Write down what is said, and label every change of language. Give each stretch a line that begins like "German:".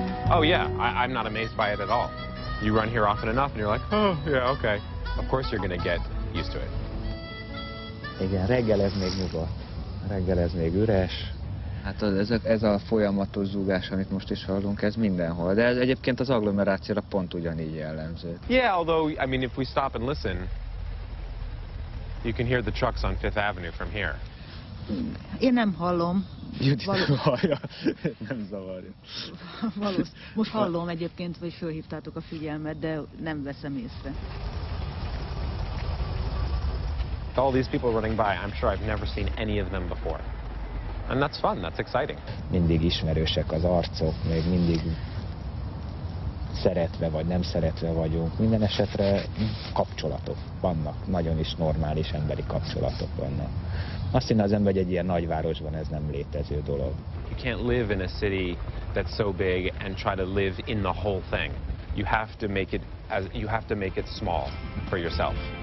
English: Oh, yeah, I'm not amazed by it at all. You run here often enough and you're like, oh, yeah, okay. Of course you're gonna get used to it.
Hungarian: Igen, reggel ez még nyugodt. Reggel ez még üres. Hát ez a folyamatos zúgás, amit most is hallunk, ez mindenhol. De ez egyébként az agglomerációra pont ugyanígy jellemző.
English: Yeah, although, I mean, if we stop and listen, you can hear the trucks on Fifth Avenue from here.
Hungarian: Én nem hallom. Judit hallja. Nem zavarja. Valószínű. Most hallom egyébként, hogy fölhívtátok a figyelmet, de nem veszem észre.
English: All these people running by, I'm sure I've never seen any of them before. And that's fun, that's exciting.
Hungarian: Mindig ismerősek az arcok, még mindig szeretve vagy nem szeretve vagyunk. Minden esetre kapcsolatok vannak, nagyon is normális emberi kapcsolatok vannak. Azt hiszem, az ember egy ilyen nagyvárosban ez nem létező dolog.
English: You can't live in a city that's so big and try to live in the whole thing. You have to make it small for yourself.